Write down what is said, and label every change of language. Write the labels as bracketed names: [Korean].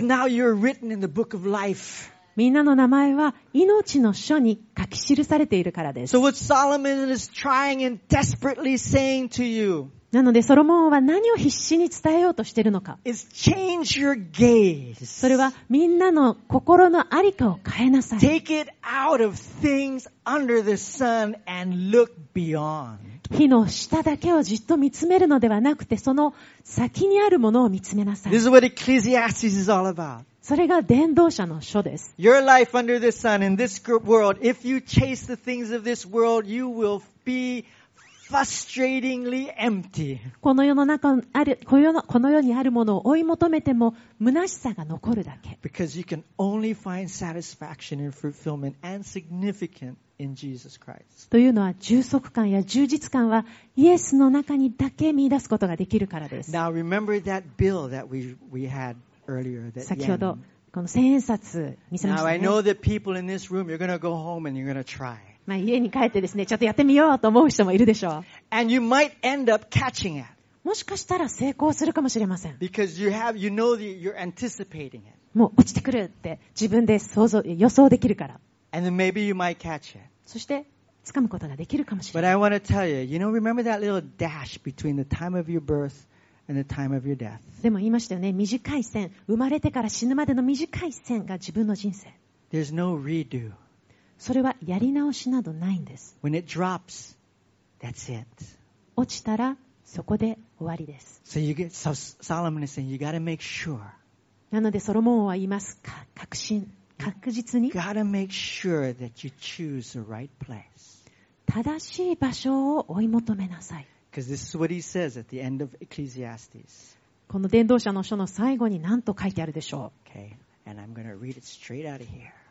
[English] Because now you're written in the book of life. [Japanese] みんなの名前は命の書に書き記されているからです。 [English] So what Solomon is trying and desperately saying to you, [Japanese] なのでソロモンは何を必死に伝えようとしているのか。 [English] Is change your gaze. [Japanese] それはみんなの心のありかを変えなさい。 [English] Take it out of things under the sun and look beyond. [Japanese] 火の下だけをじっと見つめるのではなくて、その先にあるものを見つめなさい。 [English] This is what Ecclesiastes is all about. [Japanese] それが伝道者の書です。 [English] Your life under the sun in this world, if you chase the things of this world, you will be frustratingly empty. [Japanese] この世の中ある、この世にあるものを追い求めても虚しさが残るだけ。 [English] Because you can only find satisfaction and fulfillment and significance in Jesus Christ. [Japanese] というのは充足感や充実感はイエスの中にだけ見出すことができるからです。 [English] Now remember that bill that we had earlier. [Japanese] 先ほどこの千円札見せましたね。 [English] Now I know that people in this room, you're going to go home and you're going to try. [Japanese] まあ、家に帰ってですね、ちょっとやってみようと思う人もいるでしょう。 [English] And you might end up catching it. [Japanese] もしかしたら成功するかもしれません。 [English] Because you have, you know the, you're anticipating it. [Japanese] もう落ちてくるって自分で想像、予想できるから。 [English] And then maybe you might catch it. [Japanese] そして掴むことができるかもしれない。 [English] But I want to tell you, you know, remember that little dash between the time of your birth and the time of your death. [Japanese] でも言いましたよね、短い線、生まれてから死ぬまでの短い線が自分の人生。 [English] There's no redo. [Japanese] それはやり直しなどないんです。 [English] When it drops, that's it. [Japanese] 落ちたらそこで終わりです。 [English] So you get, so Solomon is saying, you gotta make sure. [Japanese] なのでソロモンは言います。確信、確実に。 [English] You gotta make sure that you choose the right place. [Japanese] 正しい場所を追い求めなさい。 [English] Because this is what he says at the end of Ecclesiastes. [Japanese] この伝道者の書の最後に何と書いてあるでしょう。 [English] Okay, and I'm gonna read it straight out of here.